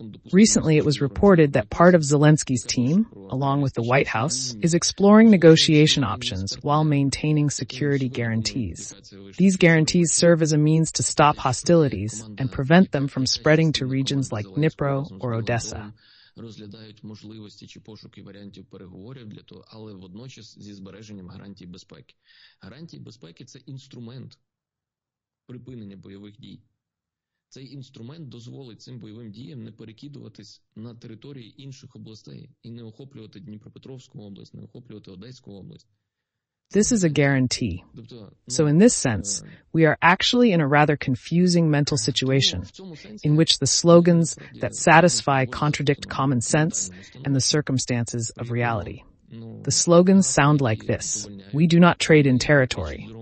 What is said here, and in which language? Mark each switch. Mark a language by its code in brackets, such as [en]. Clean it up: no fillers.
[en] Recently, it was reported that part of Zelensky's team, along with the White House, is exploring negotiation options while maintaining security guarantees. These guarantees serve as a means to stop hostilities and prevent them from spreading to regions like Dnipro or Odessa. [uk] Розглядають можливості чи пошуки варіантів переговорів для того, але водночас зі збереженням гарантій безпеки. Гарантії безпеки – це інструмент припинення бойових дій. Цей інструмент дозволить цим бойовим діям не перекидуватись на території інших областей і не охоплювати Дніпропетровську область, не охоплювати Одеську область. [en] This is a guarantee. So in this sense, we are actually in a rather confusing mental situation in which the slogans that satisfy contradict common sense and the circumstances of reality. The slogans sound like this: we do not trade in territory.